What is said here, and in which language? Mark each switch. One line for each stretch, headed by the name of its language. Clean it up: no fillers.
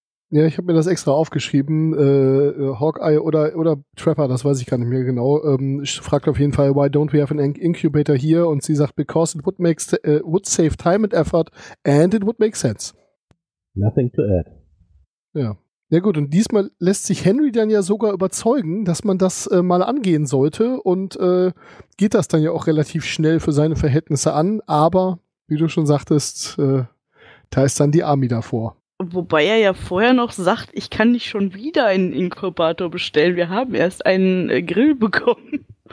German: Ja, ich habe mir das extra aufgeschrieben. Hawkeye oder Trapper, das weiß ich gar nicht mehr genau, fragt auf jeden Fall,
English: why don't we have an incubator here?
German: Und sie sagt,
English: because it would save time and effort and it would make sense. Nothing to add.
German: Ja. Ja gut, und diesmal lässt sich Henry dann ja sogar überzeugen, dass man das mal angehen sollte und geht das dann ja auch relativ schnell für seine Verhältnisse an. Aber, wie du schon sagtest, da ist dann die Army davor. Wobei er ja vorher noch sagt, ich kann nicht schon wieder einen Inkubator bestellen, wir haben erst einen Grill bekommen.